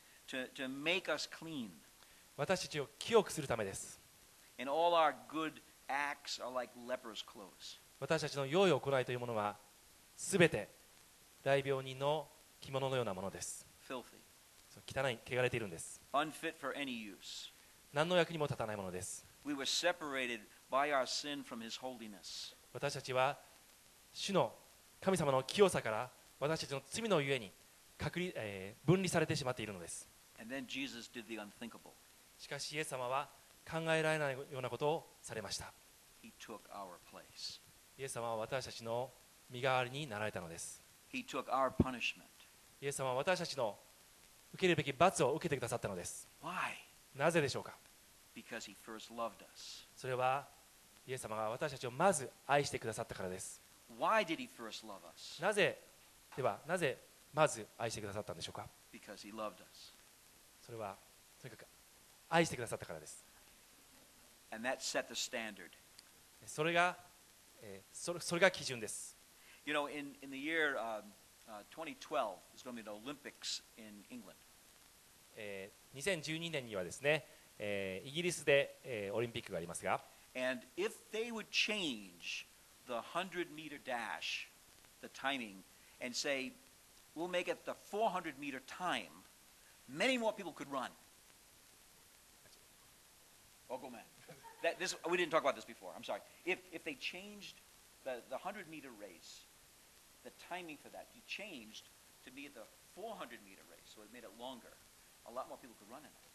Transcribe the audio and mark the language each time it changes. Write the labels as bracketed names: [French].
[English] To make us clean. [Japanese] 私たちを清くするためです。 [English] And all our good acts are like leper's clothes. [Japanese] 私たちの良い行いというものは、すべて雷病人の着物のようなものです。 [English] Filthy. [Japanese] 汚い、汚れているんです。 [English] Unfit for any use. [Japanese] 何の役にも立たないものです。 [English] We were separated by our sin from his holiness. [Japanese] 私たちは主の神様の清さから私たちの罪のゆえに隔離、分離されてしまっているのです。 [English] And then Jesus did the unthinkable. [Japanese] しかしイエス様は考えられないようなことをされました。 [English] He took our place. [Japanese] イエス様は私たちの身代わりになられたのです。 [English] He took our punishment. [Japanese] イエス様は私たちの受けるべき罰を受けてくださったのです。 [English] Why? [Japanese] なぜでしょうか。 [English] Because he first loved us. [Japanese] それはイエス様が私たちをまず愛してくださったからです。 [English] Why did he first love us? [Japanese] なぜ、ではなぜまず愛してくださったんでしょうか。 [English] Because he loved us. [Japanese] それはとにかく愛してくださったからです。 [English] And that set the standard. [Japanese] それが、それが基準です。 [English] You know, in the year 2012 there's going to be the Olympics in England. [Japanese] 2012年にはですね、イギリスで、オリンピックがありますが、 [English] And if they would change the 100 meter dash, the timing, and say, we'll make it the 400 meter time, many more people could run. Oh, go man. That, this, we didn't talk about this before. I'm sorry. If they changed the 100 meter race, the timing for that, you changed to be the 400 meter race, so it made it longer. A lot more people could run in it.